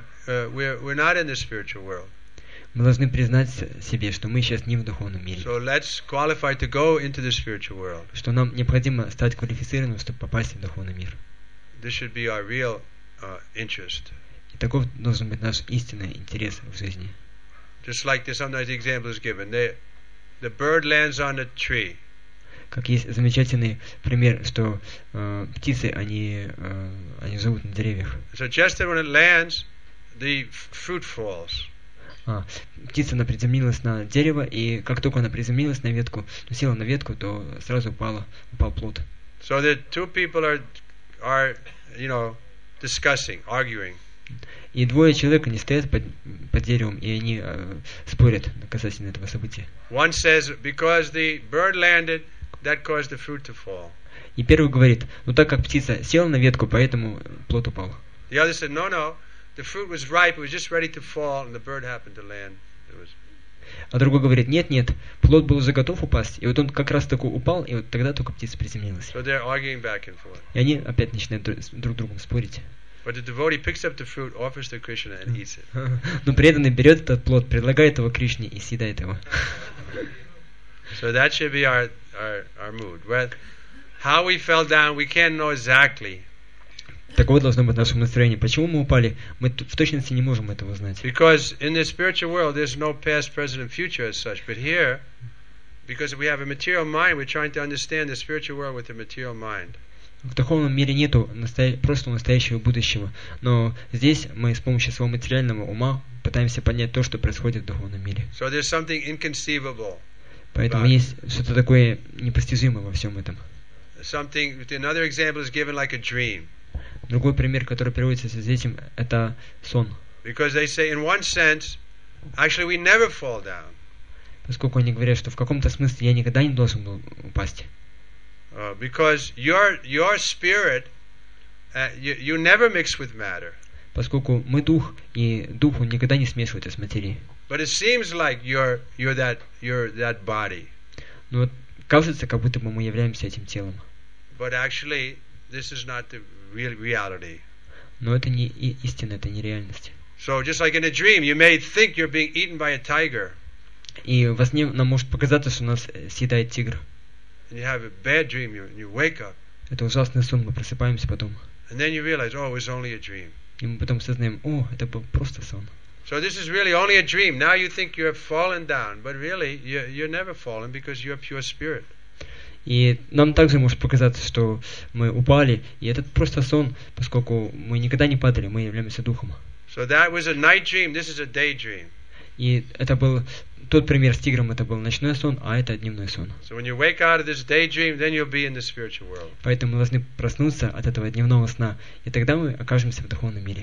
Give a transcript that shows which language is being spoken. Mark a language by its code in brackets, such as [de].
[ru] Мы должны признать себе, что мы сейчас не в духовном мире. [en] So let's qualify to go into the spiritual world. [ru] Что нам необходимо стать квалифицированным, чтобы попасть в духовный мир. [en] This should be our real, interest. [ru] И таков должен быть наш истинный интерес в жизни. [en] Just like the sometimes the example is given. The bird lands on a tree. [ru] Как есть замечательный пример, что птицы, они живут на деревьях. [en] So just when it lands, the fruit falls. [ru] А, птица, она приземлилась на дерево, и как только она приземлилась на ветку, села на ветку, то сразу упал плод. [en] So the two people are you know, discussing, arguing. [ru] И двое человек, они стоят под деревом, и они спорят касательно этого события. [en] One says, because the bird landed, that caused the fruit to fall. [ru] И первый говорит, ну так как птица села на ветку, поэтому плод упал. [en] The other said, no, the fruit was ripe, it was just ready to fall, and the bird happened to land. It was... [ru] А другой говорит, нет, плод был уже готов упасть, и вот он как раз таки упал, и вот тогда только птица приземлилась. [en] So they're arguing back and forth. [ru] И они опять начинают друг с другом спорить. [en] But the devotee picks up the fruit, offers to Krishna, and eats it. [ru] Но преданный берет этот плод, предлагает его Кришне и съедает его. [en] So that should be our mood. Well, how we fell down, we can't know exactly. [ru] Такое должно быть наше настроение. Почему мы упали? Мы в точности не можем этого знать. [en] Because in the spiritual world, there's no past, present, and future as such. But here, because we have a material mind, we're trying to understand the spiritual world with a material mind. [ru] В духовном мире нету прошлого, настоящего, будущего. Но здесь мы с помощью своего материального ума пытаемся понять то, что происходит в духовном мире. [en] So there's something inconceivable. [ru] Поэтому есть что-то такое непостижимое во всем этом. [en] Something, another example is given like a dream. [ru] Другой пример, который приводится с этим, это сон. [en] Because they say in one sense, actually we never fall down. [ru] Поскольку они говорят, что в каком-то смысле я никогда не должен был упасть. [en] Because your spirit, you never mix with matter. [ru] Поскольку мы дух, и дух он никогда не смешивается с материей. [en] But it seems like you're that body. [ru] Но кажется, как будто бы мы являемся этим телом. [en] But actually, this is not the real reality. [ru] Но это не истина, это не реальность. [en] So just like in a dream, you may think you're being eaten by a tiger. [ru] И во сне нам может показаться, что нас съедает тигр. [en] And you have a bad dream, you wake up. [ru] Это ужасный сон, мы просыпаемся потом. [en] And then you realize, oh, it was only a dream. [ru] И мы потом осознаем, о, это был просто сон. [en] So this is really only a dream. Now you think you have fallen down, but really you're never fallen because you're pure spirit. [ru] И нам также может показаться, что мы упали, и это просто сон, поскольку мы никогда не падали, мы являемся духом. [en] So that was a night dream. This is a day dream. [ru] И это был тот пример с тигром, это был ночной сон, а это дневной сон. [en] So when you wake out of this daydream, then you'll be in the spiritual world. [ru] Поэтому мы должны проснуться от этого дневного сна, и тогда мы окажемся в духовном мире.